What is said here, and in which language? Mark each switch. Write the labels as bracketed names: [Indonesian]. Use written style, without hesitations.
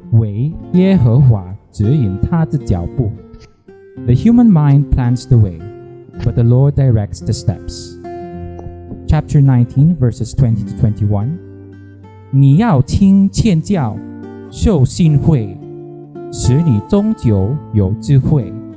[Chinese] 人心筹算自己的道路，唯耶和华指引他的脚步。 [English] The human mind plans the way, but the Lord directs the steps. Chapter 19, verses 20 to 21. [Chinese] 你要听劝教，受信会，使你终究有智慧。